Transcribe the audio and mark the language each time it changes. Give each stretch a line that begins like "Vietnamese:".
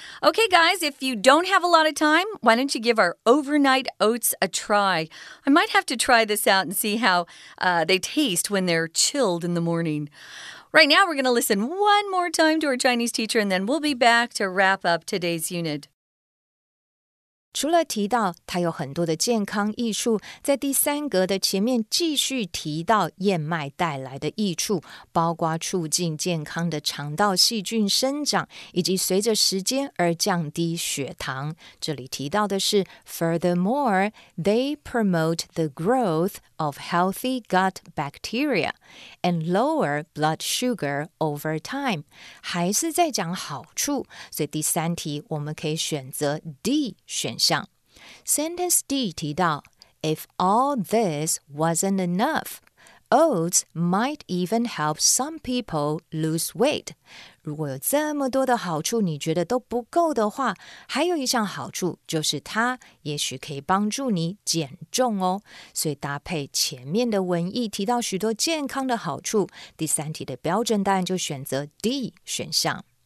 English: Okay, guys, if you don't have a lot of time, why don't you give our overnight oats a try? I might have to try this out and see how they taste when they're chilled in the morning. Right now, we're going to listen one more time to our Chinese teacher, and then we'll be back to wrap up today's unit.
Chinese: 除了提到它有很多的健康益处，在第三格的前面继续提到燕麦带来的益处，包括促进健康的肠道细菌生长，以及随着时间而降低血糖。这里提到的是
English: Furthermore, they promote the growth of healthy gut bacteria and lower blood sugar over time.
Chinese: 还是在讲好处，所以第三题我们可以选择 D 选项。
English: Sentence D
Chinese: 提到
English: If all this wasn't enough, oats might even help some people lose weight.
Chinese: 如果有这么多的好处你觉得都不够的话，还有一项好处就是它也许可以帮助你减重哦。所以搭配前面的文意提到许多健康的好处，第三题的标准答案就选择 D 选项。